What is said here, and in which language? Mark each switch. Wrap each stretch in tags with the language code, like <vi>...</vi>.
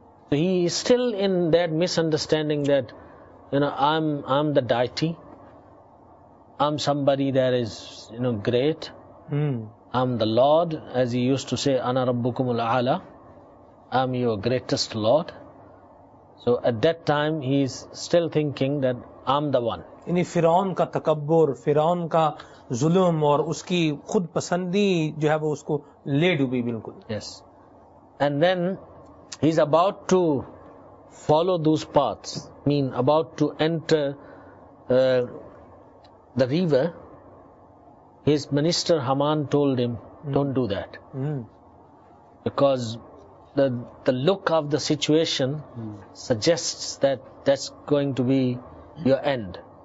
<en>He is still in that misunderstanding that, you know, I'm the deity. I'm somebody that is, you know, great. Mm. I'm the Lord, as he used to say,</en> <ar>Ana Rabbukum al-A'la.</ar> <en>I'm your greatest Lord. So at that time, he's still thinking that I'm the one.</en> <ur>یعنی فرعون کا تکبر, فرعون کا ظلم اور اس کی خود پسندی جو ہے وہ اس کو لے ڈوبی بالکل.</ur> <en>Yes. And then he's about to follow those paths, mean about to enter the river. His minister Haman told him, don't do that. Because the look of the situation suggests that that's going to be your end.</en>